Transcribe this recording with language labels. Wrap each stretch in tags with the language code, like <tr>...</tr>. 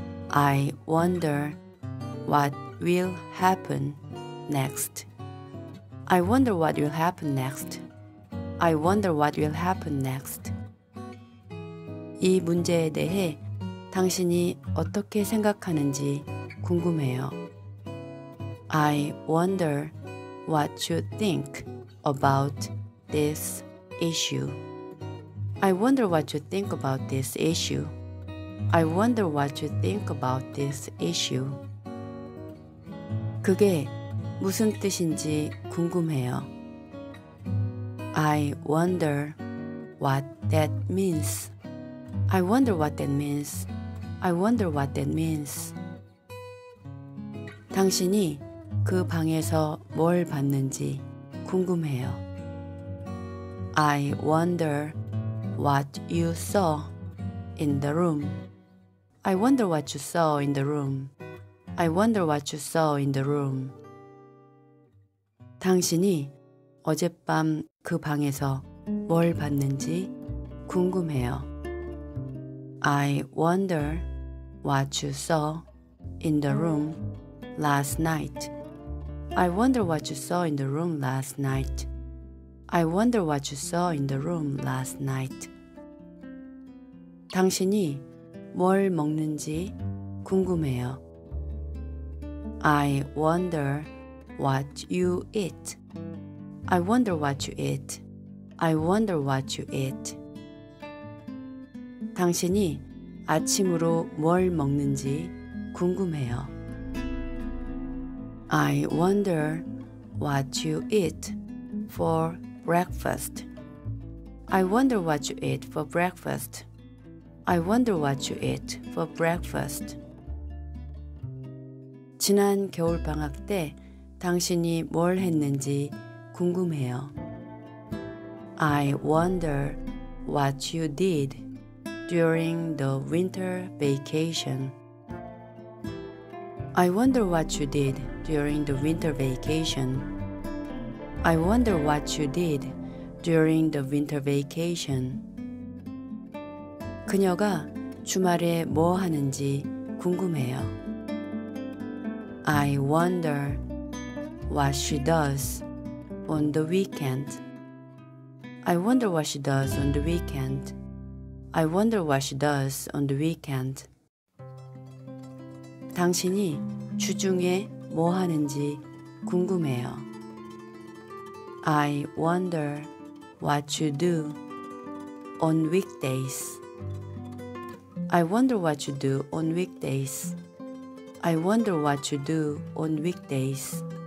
<en>I wonder what will happen next. I wonder what will happen next. I wonder what will happen next.</en> <ko>이 문제에 대해 당신이 어떻게 생각하는지 궁금해요.</ko> <en>I wonder what you think about this issue. I wonder what you think about this issue. I wonder what you think about this issue.</en> <ko>그게 무슨 뜻인지 궁금해요.</ko> <en>I wonder what that means. I wonder what that means. I wonder what that means.</en> <ko>당신이 그 방에서 뭘 봤는지 궁금해요.</ko> <en>I wonder what you saw in the room. I wonder what you saw in the room. I wonder what you saw in the room.</en> <ko>당신이 어젯밤 그 방에서 뭘 봤는지 궁금해요.</ko> <en>I wonder what you saw in the room last night. I wonder what you saw in the room last night. I wonder what you saw in the room last night.</en> <ko>당신이 뭘 먹는지 궁금해요.</ko> <en>I wonder what you eat. I wonder what you eat. I wonder what you eat.</en> <ko>당신이 아침으로 뭘 먹는지 궁금해요.</ko> <en>I wonder what you eat for breakfast. I wonder what you eat for breakfast. I wonder what you eat for breakfast.</en> <ko>지난 겨울 방학 때 당신이 뭘 했는지 궁금해요.</ko> <en>I wonder what you did during the winter vacation. I wonder what you did during the winter vacation. I wonder what you did during the winter vacation.</en> <ko>그녀가 주말에 뭐 하는지 궁금해요.</ko> <en>I wonder what she does on the weekend. I wonder what she does on the weekend. I wonder what she does on the weekend.</en> <ko>당신이 주중에 뭐 하는지 궁금해요.</ko> <en>I wonder what you do on weekdays. I wonder what you do on weekdays. I wonder what you do on weekdays.</en>